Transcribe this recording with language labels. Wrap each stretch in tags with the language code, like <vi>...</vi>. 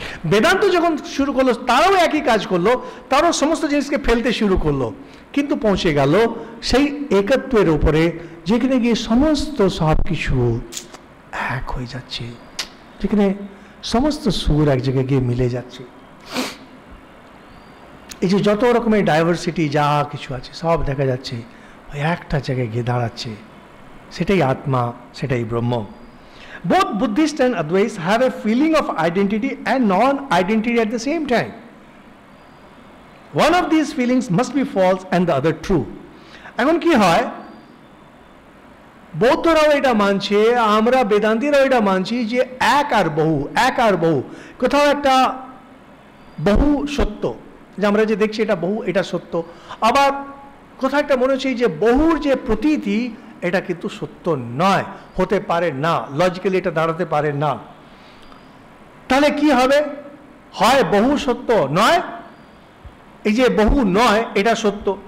<bn>বেদান্ত যখন শুরু করলো তারাও একই কাজ করলো, তারাও সমস্ত জিনিসকে ফেলতে শুরু করলো, কিন্তু পৌঁছে গেল সেই একত্বের ওপরে যেখানে গিয়ে সমস্ত সব কিছু এক হয়ে যাচ্ছে, যেখানে সমস্ত সুর এক জায়গায় গিয়ে মিলে যাচ্ছে, এই যে যত রকমের ডাইভার্সিটি যা কিছু আছে সব দেখা যাচ্ছে ওই একটা জায়গায় গিয়ে দাঁড়াচ্ছে, সেটাই আত্মা সেটাই ব্রহ্ম।</bn> <en>Both Buddhist and Advaita have a feeling of identity and non-identity at the same time. One of these feelings must be false and the other true.</en> <bn>এখন কি হয়, বৌদ্ধরাও এটা মানছে আমরা বেদান্তিরাও এটা মানছি যে এক আর বহু, এক আর বহু, কোথাও একটা বহু সত্য যে আমরা যে দেখছি এটা বহু এটা সত্য, আবার কোথাও একটা মনে হচ্ছে যে বহুর যে প্রতীতি এটা কিন্তু সত্য নয়, হতে পারে না, লজিক্যালি এটা দাঁড়াতে পারে না, তাহলে কি হবে, হয় বহু সত্য নয়, এই যে বহু নয় এটা সত্য।</bn>